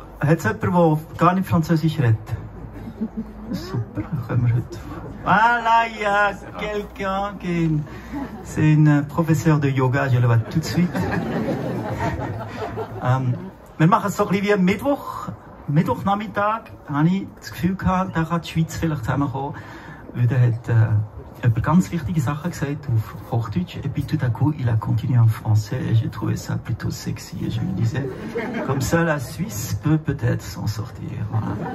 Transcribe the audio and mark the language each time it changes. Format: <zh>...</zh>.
<de>Hätte es jemand, der gar nicht Französisch redet? Super, können wir heute.</de> <fr>Voilà, il y a quelqu'un qui est une... C'est une professeure de yoga, je le vois tout de suite.</fr> <de>Wir machen es so ein bisschen wie Mittwoch. Mittwochnachmittag habe ich das Gefühl gehabt, da kann die Schweiz vielleicht zusammenkommen. Weil da hat jemand ganz wichtige Sachen gesagt auf Hochdeutsch.</de> <fr>Et puis tout à coup, il a continué en français. Et j'ai trouvé ça plutôt sexy. Et je me disais, comme ça, la Suisse peut peut-être s'en sortir. Voilà.</fr>